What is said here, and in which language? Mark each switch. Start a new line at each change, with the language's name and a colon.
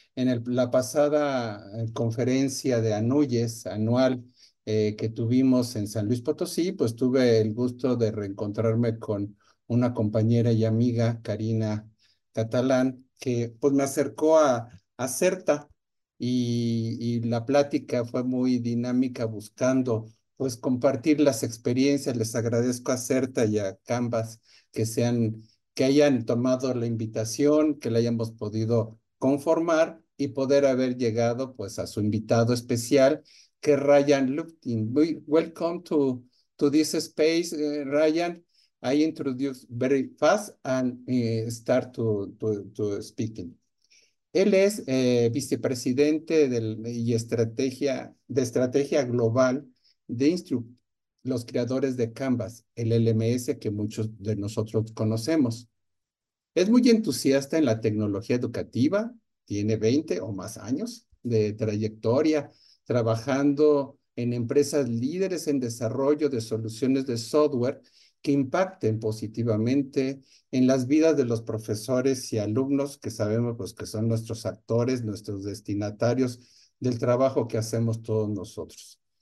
Spanish: En la pasada conferencia de ANUYES anual que tuvimos en San Luis Potosí, pues tuve el gusto de reencontrarme con una compañera y amiga, Karina Catalán, que pues me acercó a CERTA y la plática fue muy dinámica, buscando pues compartir las experiencias. Les agradezco a CERTA y a Canvas que hayan tomado la invitación, que la hayamos podido conformar y poder haber llegado pues a su invitado especial, que Ryan Lupton.
English: Welcome to this space, Ryan. I introduce very fast and start to speaking.
Spanish: Él es vicepresidente de estrategia global de Instruct, los creadores de Canvas, el LMS que muchos de nosotros conocemos. Es muy entusiasta en la tecnología educativa, tiene 20 o más años de trayectoria trabajando en empresas líderes en desarrollo de soluciones de software que impacten positivamente en las vidas de los profesores y alumnos, que sabemos pues, que son nuestros actores, nuestros destinatarios del trabajo que hacemos todos nosotros.